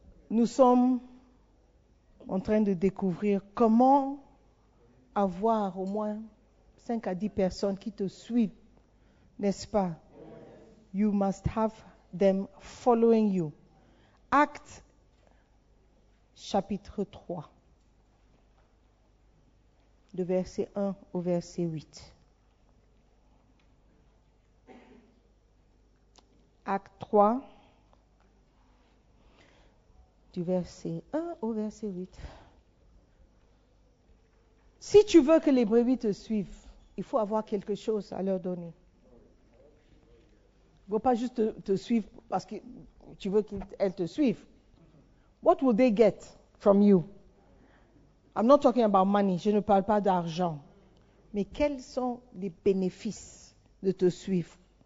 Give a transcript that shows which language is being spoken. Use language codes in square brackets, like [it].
[fr] Nous sommes en train de découvrir comment avoir au moins 5 à 10 personnes qui te suivent, n'est-ce pas? [en] You must have them following you. [fr] Acte chapitre 3, de verset 1 au verset 8. Acte 3, du verset 1 au verset 8. Si tu veux que les brebis te suivent, il faut avoir quelque chose à leur donner. Il ne faut pas juste te suivre parce que tu veux qu'elles te suivent. [en] What will they get from you? I'm not talking about money. [fr] Je ne parle pas d'argent. Mais quels sont les bénéfices de te suivre?